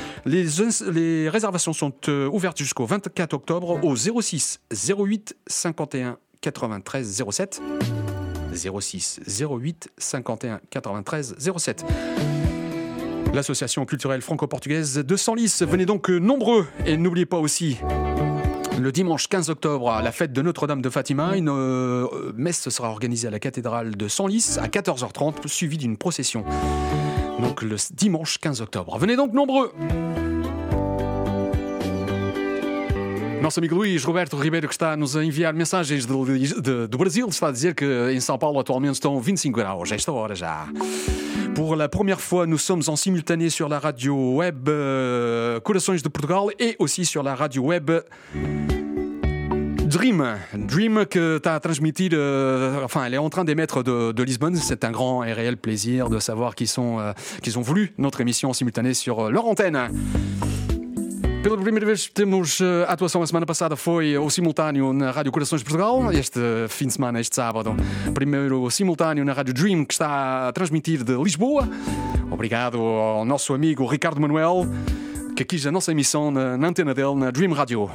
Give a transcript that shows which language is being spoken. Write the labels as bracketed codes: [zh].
[fr] Les réservations sont ouvertes jusqu'au 24 octobre aux 06 08 51 93 07 06 08 51 93 07 L'association culturelle franco-portugaise de Senlis, venez donc nombreux et n'oubliez pas aussi le dimanche 15 octobre à la fête de Notre-Dame de Fatima, une messe sera organisée à la cathédrale de Senlis à 14h30 suivie d'une procession. Donc le dimanche 15 octobre, venez donc nombreux. [pt] Nosso amigo Luís Roberto Ribeiro, que está a nos enviar mensagens do Brasil, está a dizer que em São Paulo atualmente estão 25 graus, a esta hora já. [fr] Pour la première fois, nous sommes en simultané sur la radio web Corações de Portugal et aussi sur la radio web Dream. Dream que tu as transmitté, elle est en train d'émettre de Lisbonne. C'est un grand et réel plaisir de savoir qu'ils ont voulu notre émission en simultané sur leur antenne. [pt] Pela primeira vez temos atuação. A semana passada foi o simultâneo na Rádio Corações de Portugal, este fim de semana, este sábado, primeiro simultâneo na Rádio Dream, que está a transmitir de Lisboa. Obrigado ao nosso amigo Ricardo Manuel, que quis a nossa emissão na antena dele, na Dream Radio.